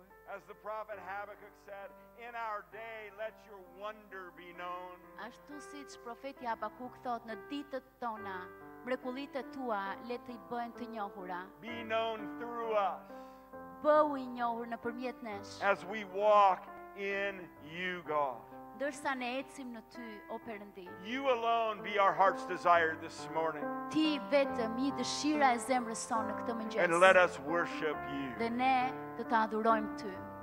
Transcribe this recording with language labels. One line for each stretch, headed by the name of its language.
English: As the prophet Habakkuk said, in our day let your wonder be known.
Albanian: Ashtu siç profeti Habakuk thot, në ditët tona mrekullitë e tua le të bëhen të njohura.
English: Be known through us.
Albanian: Bëu i njohur nëpërmjet nesh.
English: As we walk in you, God.
Albanian: Ndërsa ne ecim në ty, o Perëndi.
English: You alone be our heart's desire this morning.
Albanian: Ti vetëm i dëshira e zemrës sonë këtë mëngjes.
English: And let us worship you.
Albanian: Dhe ne të ta adhurojmë ty.